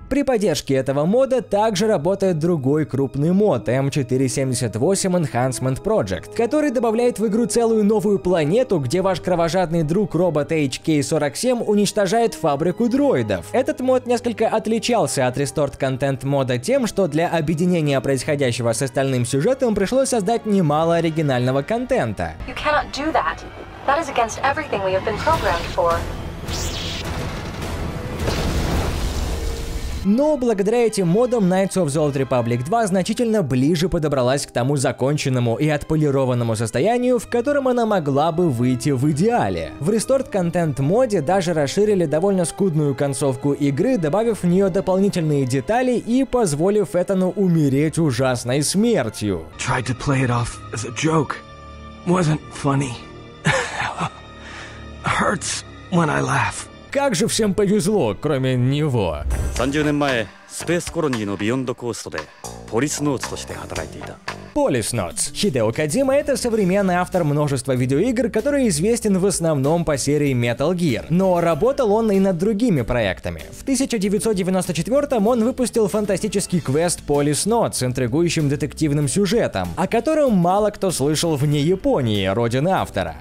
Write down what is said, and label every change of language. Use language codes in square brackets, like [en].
[ru] При поддержке этого мода также работает другой крупный мод, M478 Enhancement Project, который добавляет в игру целую новую планету, где ваш кровожадный друг-робот HK-47 уничтожает фабрику дроидов. Этот мод несколько отличался от Restored Content мода тем, что для объединения происходящего с остальным сюжетом пришлось создать немало оригинального контента. [en] You cannot do that. That is against everything we have been programmed for. [ru] Но благодаря этим модам Knights of the Old Republic 2 значительно ближе подобралась к тому законченному и отполированному состоянию, в котором она могла бы выйти в идеале. В Restored Content моде даже расширили довольно скудную концовку игры, добавив в нее дополнительные детали и позволив Этану умереть ужасной смертью. [en] Tried to play it off as a joke. Wasn't funny. Hurts when I laugh. [ru] Как же всем повезло, кроме него. 30 лет назад в Space Colony на Beyond Coast Police Notes работал. [en] Police Notes. [ru] Хидео Кодзима — это современный автор множества видеоигр, который известен в основном по серии Metal Gear. Но работал он и над другими проектами. В 1994-м он выпустил фантастический квест Police Notes с интригующим детективным сюжетом, о котором мало кто слышал вне Японии, родины автора.